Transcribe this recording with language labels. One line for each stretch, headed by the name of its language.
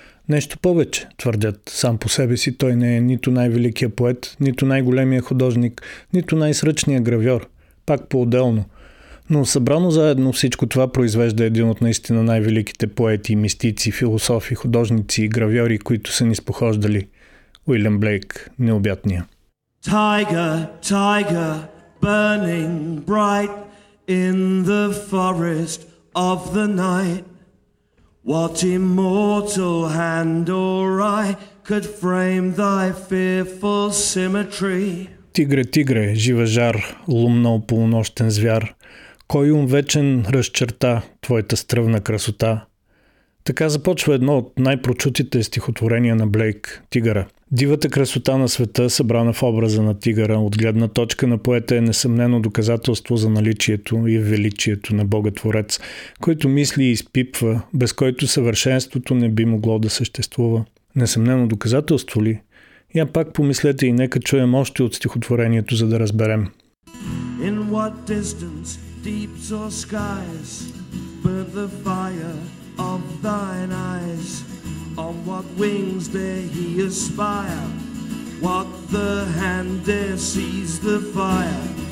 Bulgarian: Нещо повече, твърдят, сам по себе си той не е нито най-великият поет, нито най-големият художник, нито най-сръчният гравьор. Пак поотделно. Но събрано заедно всичко това произвежда един от наистина най-великите поети, мистици, философи, художници и гравьори, които са ни спохождали. Уилям Блейк, необятния.
English: Tiger, tiger, burning bright in the forest of the night. What immortal hand or eye could frame thy fearful symmetry?
Bulgarian: Тигре, тигре, жива жар, лумнал полунощен звяр. Кой ум вечен разчерта твоята стръвна красота? Така започва едно от най-прочутите стихотворения на Блейк – Тигъра. Дивата красота на света, събрана в образа на тигъра, от гледна точка на поета е несъмнено доказателство за наличието и величието на Бога-творец, който мисли и изпипва, без който съвършенството не би могло да съществува. Несъмнено доказателство ли? Я пак помислете и нека чуем още от стихотворението, за да разберем.
English: In what distance, deeps or skies, burn the fire of thine eyes? On what wings dare he aspire? What the hand dare seize the fire?